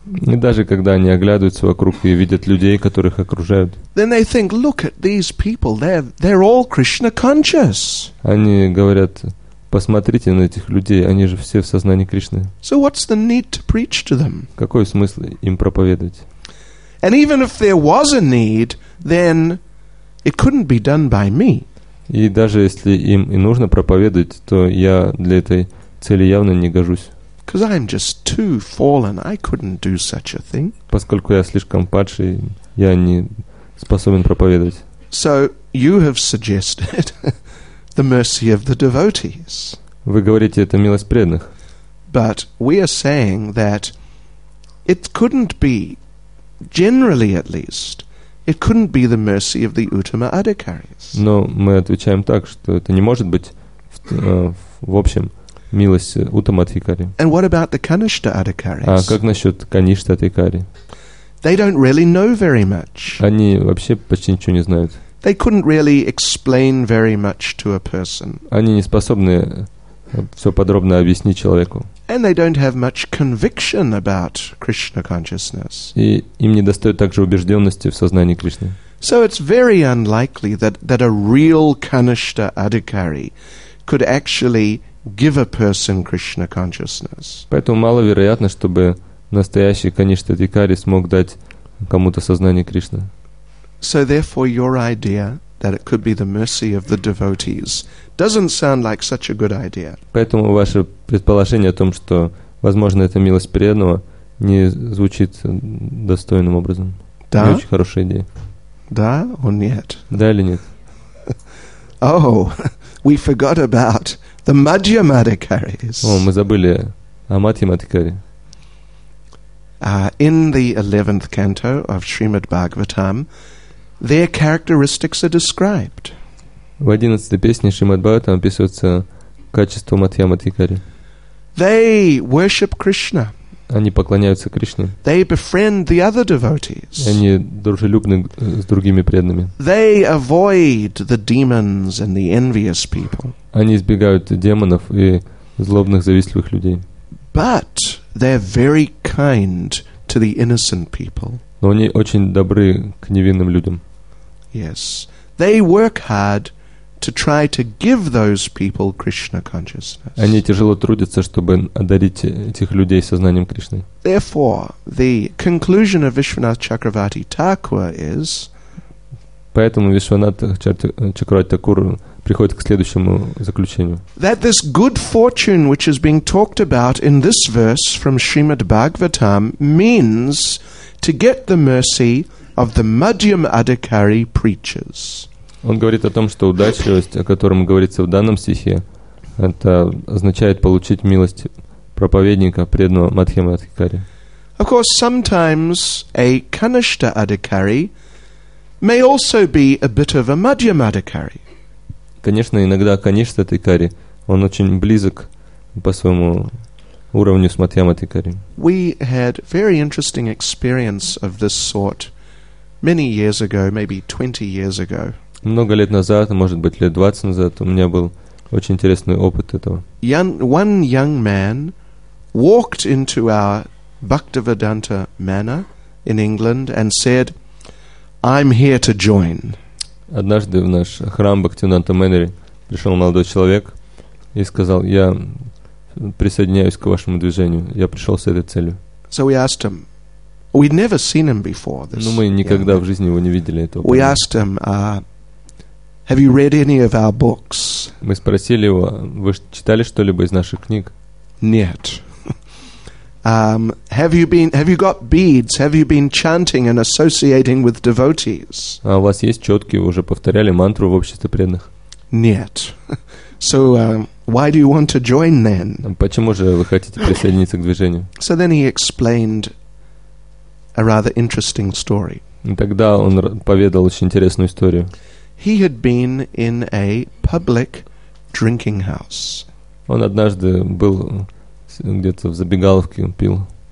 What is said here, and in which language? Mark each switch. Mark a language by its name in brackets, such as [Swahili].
[Russian] И даже когда они оглядываются вокруг и видят людей, которых окружают. [English] Then they think, look at these people. They're all Krishna conscious. [Russian] Они говорят: посмотрите на этих людей, они же все в сознании Кришны. [English] So what's the need to preach to them? [Russian] Какой смысл им проповедовать? [English] And even if there was a need, then it couldn't be done by me. [Russian] И даже если им и нужно проповедовать, то я для этой цели явно не гожусь. [English] Because I'm just too fallen, I couldn't do such a thing. [Russian] Поскольку я слишком падший, я не способен проповедовать. [English] So you have suggested the mercy of the devotees. [Russian] Вы говорите, это милость преданных. [English] But we are saying that it couldn't be, generally at least, it couldn't be the mercy of the Uttama Adhikaris. [Russian] Но мы отвечаем так, что это не может быть в общем милость Uttama Adhikari. [English] And what about the Kanishta Adhikaris? [Russian] А как насчет Kanishta Adhikari? [English] They don't really know very much. [Russian] Они вообще почти ничего не знают. [English] They couldn't really explain very much to a person. [Russian] Они не способны все подробно объяснить человеку. [English] And they don't have much conviction about Krishna consciousness. [Russian] И им не достает также убежденности в сознании Кришны. [English] So it's very unlikely that a real Kanishta Adhikari could actually give a person Krishna consciousness. [Russian] Поэтому маловероятно, чтобы настоящий Kanishta Adhikari смог дать кому-то сознание Кришны. [English] So therefore your idea that it could be the mercy of the devotees doesn't sound like such a good idea. [Russian] Поэтому ваше предположение о том, что возможно это милость преданного, не звучит достойным образом. Да? Не очень хорошая идея. Да, [English] or [Russian] нет? Да или нет? [English] Oh, we forgot about the Madhyam Adhikaris. [Russian] О, мы забыли о Мадхьям Адхикари. [English] In the 11th canto of Srimad Bhagavatam, their characteristics are described. [Russian] В 11-й песне Шримад-Бхагаватам описывается качество Мадхьяма Адхикари. [English] They worship Krishna. [Russian] Они поклоняются Кришне. [English] They befriend the other devotees. [Russian] Они дружелюбны с другими преданными. [English] They avoid the demons and the envious people. [Russian] Они избегают демонов и злобных, завистливых людей. [English] But they're very kind to the innocent people. [Russian] Но они очень добры к невинным людям. [English] Yes. They work hard to try to give those people Krishna consciousness. [Russian] Они тяжело трудятся, чтобы одарить этих людей сознанием Кришны. [English] Therefore, the conclusion of Vishwanath Chakravarti Thakur is... [Russian] Поэтому Вишванат Чакравати Такур приходит к следующему заключению. [English] That this good fortune, which is being talked about in this verse from Srimad Bhagavatam, means to get the mercy of the Madhyam Adhikari preachers. [Russian] Он говорит о том, что удачливость, о котором говорится в данном стихе, это означает получить милость проповедника, преданного Мадхьяма Адхикари. [English] Of course, sometimes a Kanishta Adhikari may also be a bit of a Madhyam Adhikari. [Russian] Конечно, иногда Kanishta Adhikari, он очень близок по своему уровню с Мадхьяма Адхикари. [English] We had very interesting experience of this sort Many years ago, maybe 20 years ago. [Russian] Много лет назад, может быть, лет 20 назад, у меня был очень интересный опыт этого. [English] One young man walked into our Bhaktivedanta Manor in England and said, "I'm here to join." [Russian] Однажды в наш храм Бхактивинанта Мэннери пришел молодой человек и сказал: "Я присоединяюсь к вашему движению. Я пришел с этой целью." [English] So we asked him. We'd never seen him before. [Russian] Но мы никогда в жизни его не видели этого. [English] We asked him, "Have you read any of our books?" [Russian] Мы спросили его: "Вы читали что-либо из наших книг?" Нет. [English] Have you got beads? Have you been chanting and associating with devotees? [Russian] А у вас есть четки? Вы уже повторяли мантру в обществе преданных? Нет. [English] So why do you want to join then? [Russian] Почему же вы хотите присоединиться к движению? [English] So then he explained a rather interesting story. [Russian] Тогда он поведал очень интересную историю. [English] He had been in a public drinking house. [Russian] Он однажды был где-то в забегаловке, он пил.